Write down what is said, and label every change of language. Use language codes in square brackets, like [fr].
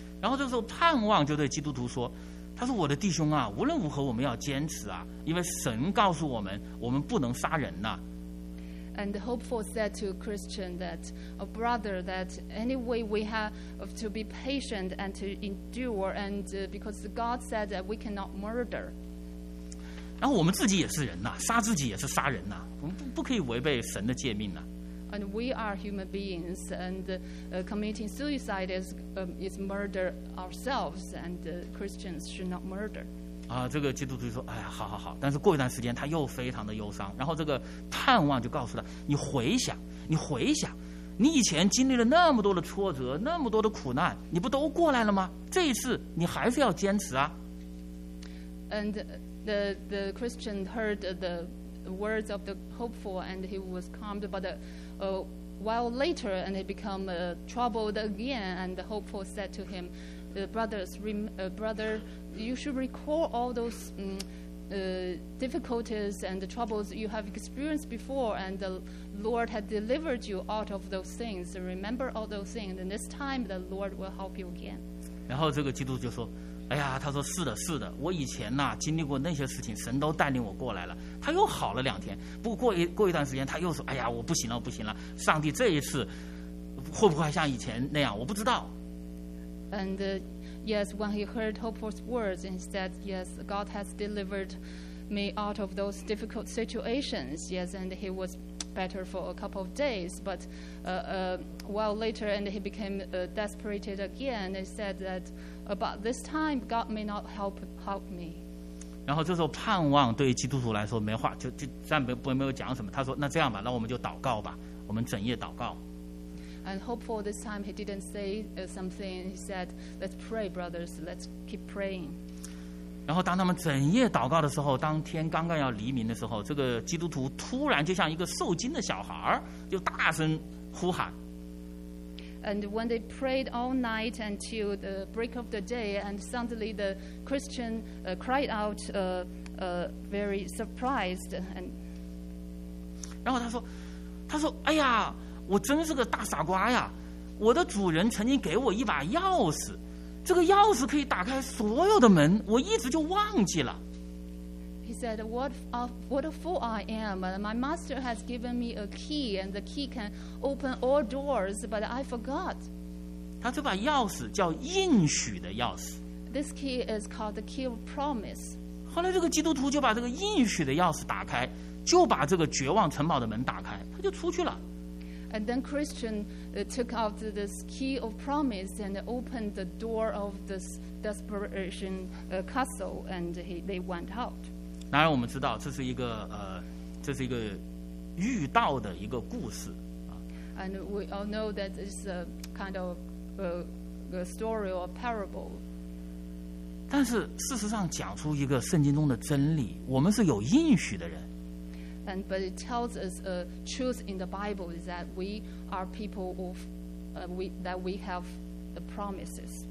[zh] 然后这个时候，盼望就对基督徒说：“他说，我的弟兄啊，无论如何我们要坚持啊，因为神告诉我们，我们不能杀人呐。” [en] And Hopeful said to Christian that, "A brother, that anyway we have to be patient and to endure, and because God said that we cannot murder." [zh] 然后我们自己也是人呐、啊，杀自己也是杀人呐、啊，我们不可以违背神的诫命呐、啊。 [en] And we are human beings, and committing suicide is murder ourselves, and Christians should not murder. [zh] 啊，这个基督徒说，哎，好好好，但是过一段时间他又非常的忧伤，然后这个探望就告诉他，你回想，你回想。你以前经历了那么多的挫折，那么多的苦难，你不都过来了吗？这一次你还是要坚持啊。 [en] And the Christian heard the words of the hopeful, and he was calmed. But while later, and he became troubled again. And the hopeful said to him, "Brother, you should recall all those difficulties and the troubles you have experienced before, and the Lord had delivered you out of those things. Remember all those things, and this time the Lord will help you again." [zh] 然后这个基督就说，哎呀，他说是的，是的，我以前呢经历过那些事情，神都带领我过来了。他又好了两天，不过过一段时间他又说，哎呀，我不行了，不行了，上帝这一次会不会像以前那样，我不知道。 [en] andYes, when he heard Hopeful's words, he said, yes, God has delivered me out of those difficult situations. Yes, and he was better for a couple of days. But while later, and he became desperated again, he said that about this time, God may not help me. [zh] 然后这时候盼望对基督徒来说没话，就暂别不没有讲什么。他说，那这样吧，那我们就祷告吧，我们整夜祷告。 [en] And hopeful this time he didn't say something. He said, "Let's pray, brothers. Let's keep praying." [zh] 然后当他们整夜祷告的时候，当天刚刚要黎明的时候，这个基督徒突然就像一个受惊的小孩，就大声呼喊。 [en] And when they prayed all night until the break of the day, and suddenly the Christian cried out, very surprised. And [zh] 然后他说，哎呀。我真是个大傻瓜呀，我的主人曾经给我一把钥匙，这个钥匙可以打开所有的门，我一直就忘记了。 [en] He said, what a fool I am. My master has given me a key, and the key can open all doors, but I forgot. [zh] 他这把钥匙叫应许的钥匙。 [en] This key is called the key of promise. [zh] 后来这个基督徒就把这个应许的钥匙打开，就把这个绝望城堡的门打开，他就出去了。 [en] And then Christian took out this key of promise and opened the door of this desperation castle, and they went out. [zh] 当然我们知道这是一个遇到的一个故事。 [en] And we all know that it's a kind of a story or parable. [zh] 但是事实上讲出一个圣经中的真理，我们是有应许的人。 [en] And but it tells us a truth in the Bible is that we are people of that we have the promises.